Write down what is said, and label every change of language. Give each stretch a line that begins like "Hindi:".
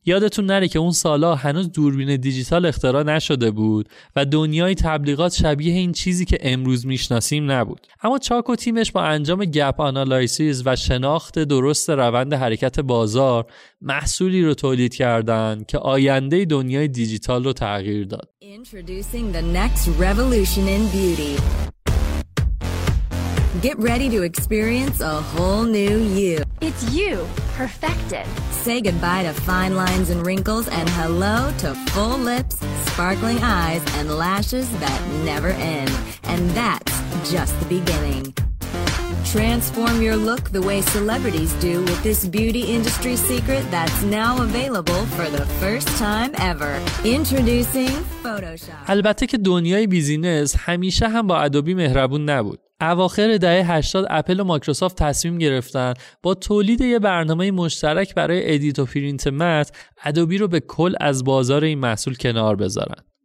Persian: یادتون نره که اون سالها هنوز دوربین دیجیتال اختراع نشده بود و دنیای تبلیغات شبیه این چیزی که امروز میشناسیم نبود. اما چاک و تیمش با انجام گپ آنالایسیز و شناخت درست روند حرکت بازار محصولی رو تولید کردن که آینده دنیای دیجیتال رو تغییر داد.
English: Introducing the next revolution in beauty. Get ready to experience a whole new you. It's you, perfected. Say goodbye to fine lines and wrinkles and hello to full lips, sparkling eyes, and lashes that never end. And that's just the beginning. Transform your look the way celebrities do with this beauty industry secret that's now available for the first time ever. Introducing Photoshop.
Persian: البته که دنیای بیزینس همیشه هم با ادوبی مهربون نبود. اواخر دهه 80 اپل و مایکروسافت تصمیم گرفتن با تولید یه برنامه مشترک برای ادیت و پرینت متن، ادوبی رو به کل از بازار این محصول کنار بذارن.